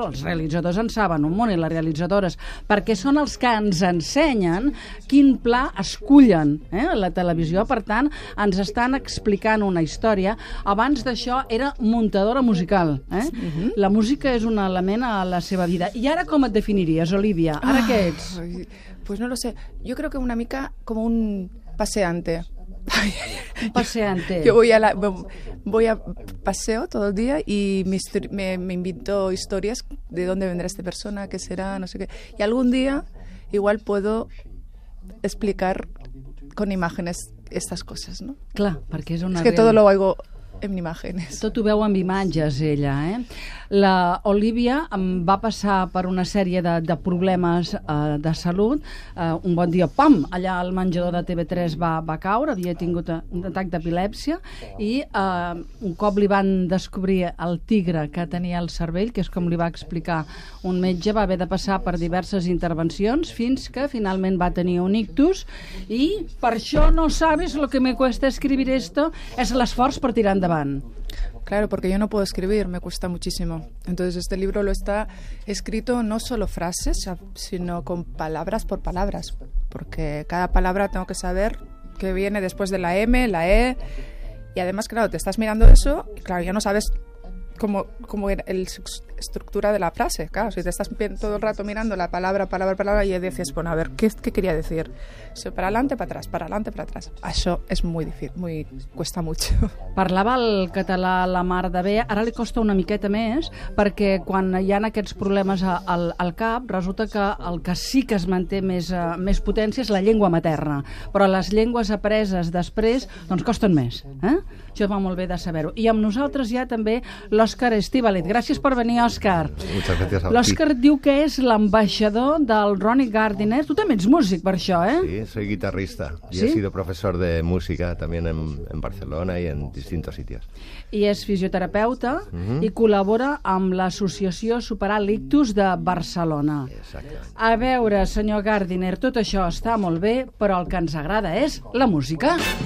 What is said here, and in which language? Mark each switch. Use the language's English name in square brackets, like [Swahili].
[Catalan] Els realitzadors en saben un munt, i les realitzadores, perquè són els que ens ensenyen quin pla escullen la televisió. Per tant, ens estan explicant una història. Abans d'això era muntadora musical. La música és un element a la seva vida. I ara com et definiries, Olivia? Ara què ets? [Spanish] Pues no lo sé. Yo creo que [Catalan] una mica [Spanish] como un paseante. Paseante. Yo voy a la, voy a paseo todo el día y me invito historias de dónde vendrá esta persona, qué será, no sé qué. Y algún día igual puedo explicar con imágenes estas cosas, ¿no? [Catalan] Clar, perquè és una... És que tot ho veig en imágenes. Tot ho veu amb imatges, ella, La Olivia va passar per una sèrie de problemes de salut. Un bon dia, pam, allà al menjador de TV3 va caure, havia tingut un atac d'epilèpsia, i un cop li van descobrir el tigre que tenia al cervell, que és com li va explicar un metge, va haver de passar per diverses intervencions fins que finalment va tenir un ictus. I per això [Spanish] no sabes lo que me cuesta escribir esto, [Catalan] és l'esforç per tirar endavant. [Spanish] Claro, porque yo no puedo escribir, me cuesta muchísimo. Entonces este libro lo está escrito no solo frases, sino con palabras por palabras, porque cada palabra tengo que saber qué viene después de la M, la E, y además, claro, te estás mirando eso, y claro, ya no sabes cómo era la estructura de la frase. Claro, si te estás todo el rato mirando la palabra, y dices, bueno, a ver, ¿qué quería decir? So, para adelante, para atrás. [Catalan] Això és molt difícil, [Spanish] cuesta mucho. [Catalan] Parlava el català la mar de bé, ara li costa una miqueta més, perquè quan hi ha aquests problemes al cap, resulta que el que sí que es manté més potència és la llengua materna, però les llengües apreses després, doncs costen més. Això va molt bé de saber-ho. I amb nosaltres hi ha també l'Òscar Estivalet. Gràcies per venir, Òscar. Moltes gràcies [Spanish] a ti. [Catalan] L'Òscar diu que és l'ambaixador del Ronnie Gardiner. Tu també ets músic, per això, eh? [Spanish] Sí, soy guitarrista y he sido profesor de música también en Barcelona y en distintos sitios. [Catalan] I és fisioterapeuta i col·labora amb l'Associació Superar l'Ictus de Barcelona. Exacte. A veure, senyor Gardiner, tot això està molt bé, però el que ens agrada és la música.